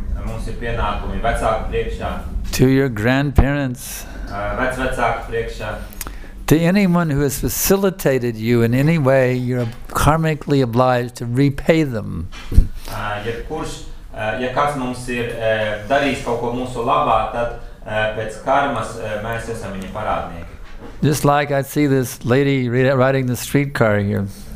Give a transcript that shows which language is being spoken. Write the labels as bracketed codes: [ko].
[lv] Mums ir pienākumi vecāku priekšā. [en] To your grandparents. [lv] Vecvecāku priekšā. [en] To anyone who has facilitated you in any way, you are karmically obliged to repay them. [lv] Ja kāds mums ir darījis kaut ko mūsu labā, tad pēc karmas mēs esam viņa parādnieki. [en] Just like I see this lady riding the streetcar here.